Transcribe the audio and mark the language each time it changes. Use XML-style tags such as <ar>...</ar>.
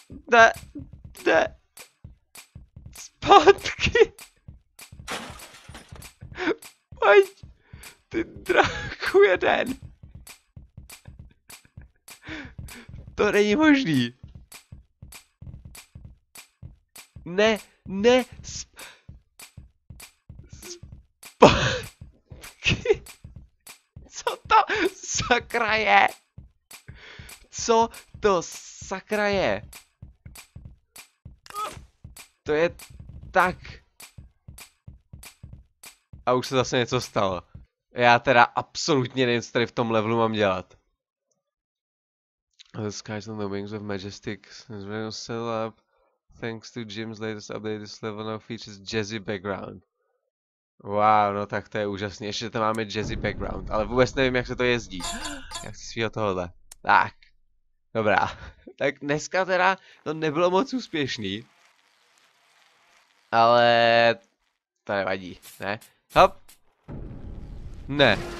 <cs>Jde, jde, zpátky, pojď, ty draku jeden, to není možný, ne, ne, zpátky, co to sakra je, co to sakra je? To je tak. A už se zase něco stalo. Já teda absolutně nevím, co tady v tom levelu mám dělat.</cs> <en>The skies on the wings of Majestic has been set up thanks to Jim's latest update. This level now features jazzy background.</en> <cs>Wow, no tak to je úžasný. Ještě tam máme jazzy background. Ale vůbec nevím, jak se to jezdí. Jak si svýho tohle. Tak. Dobrá. Tak dneska teda to nebylo moc úspěšný. Ale to nevadí, ne? Hop! Ne.</cs>